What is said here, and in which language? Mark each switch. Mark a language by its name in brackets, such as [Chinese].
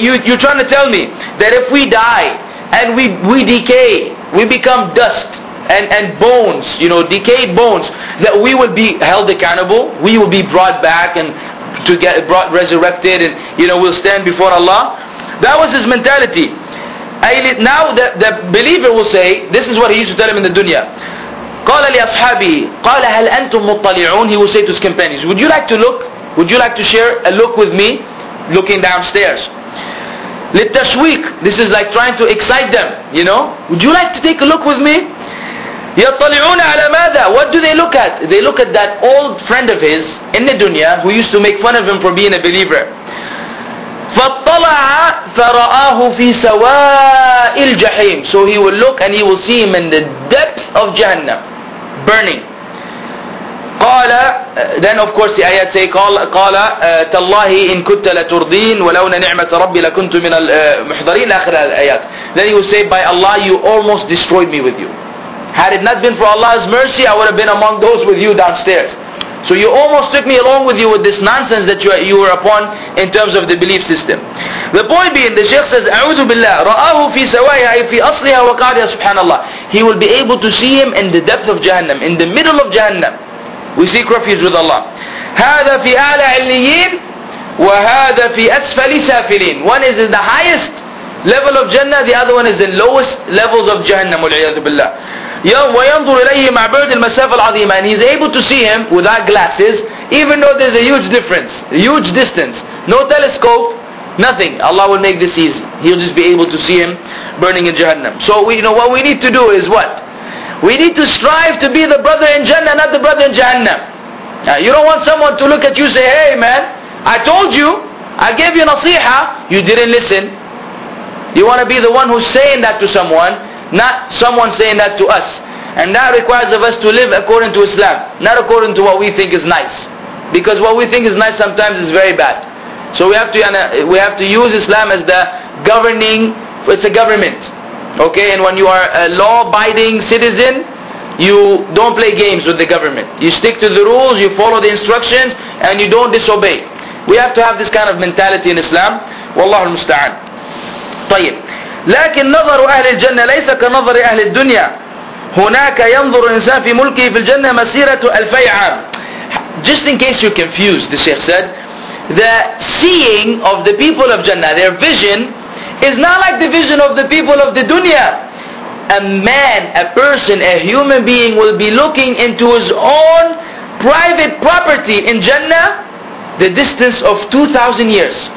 [English] You're trying to tell me that if we die and we decay, we become dust and bones, you know, decayed bones, that we will be held accountable, we will be brought back and to get brought resurrected, and you know, we'll stand before Allah. That was his mentality. Now the believer will say, this is what he used to tell him in the dunya. [Arabic] قال لأصحابي قال هل أنتم مطلعون. [English] He will say to his companions, would you like to look? Would you like to share a look with me? Looking downstairs. للتشويق. This is like trying to excite them, you know. Would you like to take a look with me? [Arabic] يطلعون على ماذا. [English] What do they look at? They look at that old friend of his in the dunya who used to make fun of him for being a believer. [Arabic] فطلع فرآه في سواء الجحيم. [English] So he will look and he will see him in the depth of Jahannam, burning. [Arabic] قال, [English] then of course the ayat say, [Arabic] قال تالله إن كنت لترضين ولو نعمة ربي لكنت من المحضرين. آخر الآيات. [English] Then he will say, by Allah, you almost destroyed me with you. Had it not been for Allah's mercy, I would have been among those with you downstairs. So you almost took me along with you with this nonsense that you were upon in terms of the belief system. The point being, the Shaykh says, [Arabic] أعوذ بالله رآه في سوايها في أصلها وقعدها سبحان الله. [English] He will be able to see him in the depth of Jahannam, in the middle of Jahannam. We seek refuge with Allah. [Arabic] هذا في أعلى عليين وهذا في أسفل سافلين. [English] One is in the highest level of Jannah, the other one is in lowest levels of Jahannam. [Arabic] والعياذ بالله. وينظر إليه مع بعد المسافة العظيمة. [English] And he's able to see him without glasses, even though there's a huge difference, a huge distance. No telescope, nothing. Allah will make this easy. He'll just be able to see him burning in Jahannam. So we, you know, what we need to do is what? We need to strive to be the brother in Jannah, not the brother in Jahannam. Now, you don't want someone to look at you and say, hey man, I told you, I gave you nasiha, you didn't listen. You want to be the one who's saying that to someone, not someone saying that to us. And that requires of us to live according to Islam, not according to what we think is nice. Because what we think is nice sometimes is very bad. So we have to use Islam as the governing, it's a government. Okay, and when you are a law-abiding citizen, you don't play games with the government. You stick to the rules, you follow the instructions, and you don't disobey. We have to have this kind of mentality in Islam. [Arabic] Wallahu al-musta'an. طيب. لكن نظر أهل الجنة ليس كنظر أهل الدنيا. هناك ينظر الإنسان في ملكه في الجنة مسيرة ألفي عام. [English] Just in case you're confused, the Sheikh said, the seeing of the people of Jannah, their vision, is not like the vision of the people of the dunya. A man, a person, a human being will be looking into his own private property in Jannah the distance of 2,000 years.